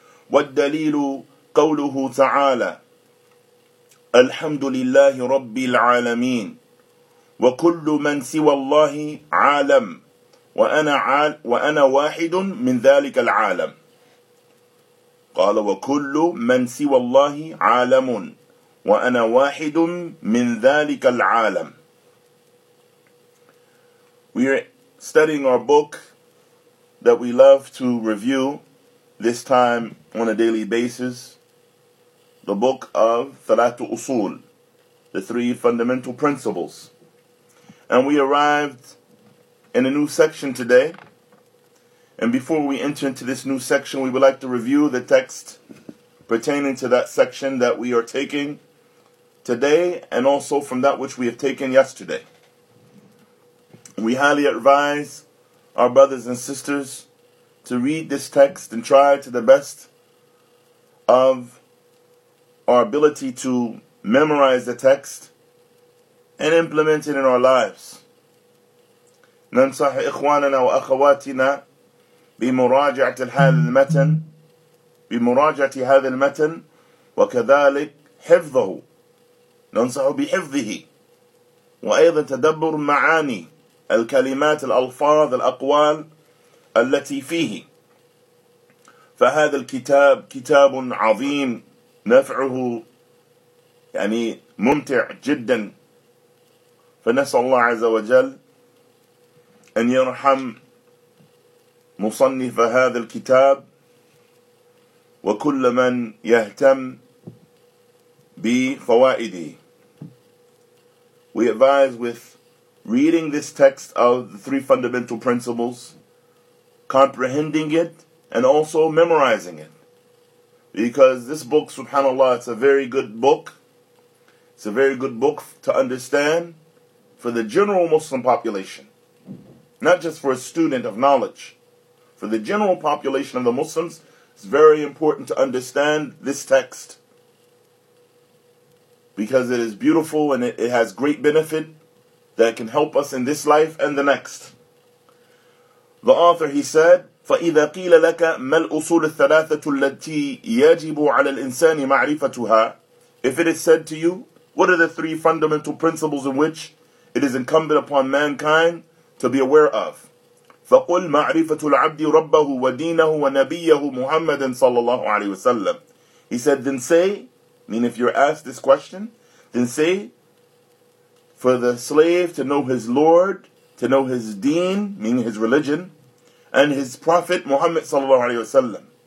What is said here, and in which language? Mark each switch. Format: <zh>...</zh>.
<ar>والدليل قوله تعالى: الحمد لله رب العالمين، وكل من سوى الله عالم، وأنا واحد من ذلك العالم. قال: وكل من سوى الله عالم، وأنا واحد من ذلك العالم.</ar> <en>We are studying our book that we love to review this time on a daily basis, the book of ثلاثة أصول, the three fundamental principles. And we arrived in a new section today. And before we enter into this new section, we would like to review the text pertaining to that section that we are taking today, and also from that which we have taken yesterday. We highly advise our brothers and sisters to read this text and try to the best of our ability to memorize the text and implement it in our lives.</en> <ar>ننصح إخواننا وأخواتنا بمراجعة هذا المتن، بمراجعة هذا المتن وكذلك حفظه، ننصح بحفظه وأيضا تدبر معاني الكلمات، الألفاظ، الأقوال التي فيه. فهذا الكتاب كتاب عظيم، نفعه يعني ممتع جدا. فنسأل الله عز وجل أن يرحم مصنف هذا الكتاب وكل من يهتم بفوائده.</ar> <en>We advise with reading this text of the three fundamental principles, comprehending it and also memorizing it. Because this book, subhanAllah, it's a very good book. It's a very good book to understand for the general Muslim population. Not just for a student of knowledge. For the general population of the Muslims, it's very important to understand this text. Because it is beautiful and it has great benefit that can help us in this life and the next. The author, he said,</en> <ar>فَإِذَا قِيلَ لَكَ مَا الْأُصُولُ الثَّلَاثَةُ الَّتِي يَجِبُ عَلَى الْإِنسَانِ مَعْرِفَتُهَا.</ar> <en>If it is said to you, what are the three fundamental principles in which it is incumbent upon mankind to be aware of?</en> <ar>فَقُلْ مَعْرِفَةُ الْعَبْدِ رَبَّهُ وَدِينَهُ وَنَبِيَّهُ مُحَمَّدًا صَلَّى اللَّهُ عَلَيْهِ وَسَلَّمُ.</ar> <en>He said, then say, meaning if you're asked this question, then say, for the slave to know his Lord, to know his deen, meaning his religion, and his Prophet Muhammad صلى الله عليه وسلم.</en>